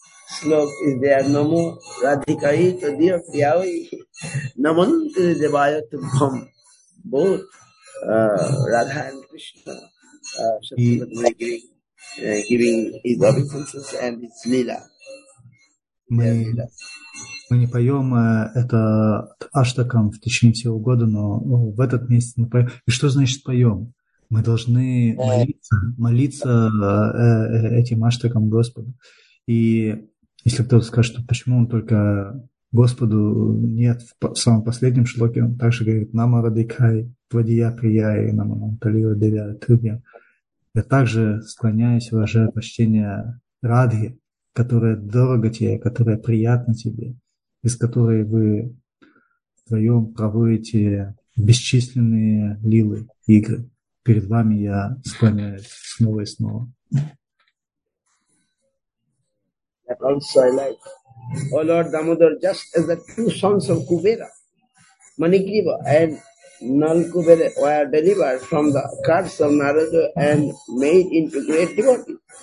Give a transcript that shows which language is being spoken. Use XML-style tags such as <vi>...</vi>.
<en>Slok is there,</en> <sa>Namo Radhikai Tadiyo Priyavi, Namon Tiri Devaya Tubham,</sa> <en>both Radha and Krishna, Shastra giving his obeisances and his lila.</en> <ru>Мы не поем это аштакам в течение всего года, но в этот месяц мы поем. И что значит поем? Мы должны молиться этим аштакам Господу. И если кто-то скажет, что почему он только Господу нет, в самом последнем шлоке он также говорит</ru> <sa>«Нама радикай твадия прияй намам талио дэвя тубья».</sa> <ru>Я также склоняюсь, уважаю почтение Радхи, которая дорога тебе, которая приятна тебе, из которой вы вдвоем проводите бесчисленные лилы, игры. Перед вами я склоняюсь снова и снова.</ru> <en>That also I like. Oh Lord Damodar, just as the two sons of Kubera, Manigriva and Nal Kubera, were delivered from the curse of Narada and made into great devotees.</en>